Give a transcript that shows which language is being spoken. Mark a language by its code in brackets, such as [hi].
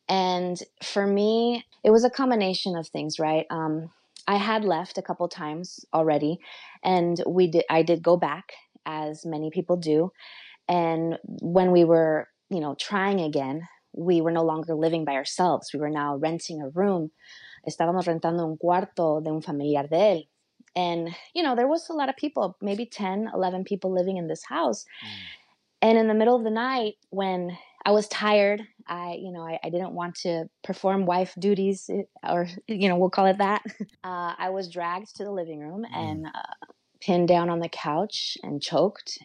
[en] And for me, it was a combination of things, right? I had left a couple times already, and I did go back, as many people do. And when we were, you know, trying again, we were no longer living by ourselves. We were now renting a room. [es] Estábamos rentando un cuarto de un familiar de él. [en] And, you know, there was a lot of people, maybe 10, 11 people living in this house. And in the middle of the night, when I was tired, I didn't want to perform wife duties, or, you know, we'll call it that. I was dragged to the living room and pinned down on the couch and choked.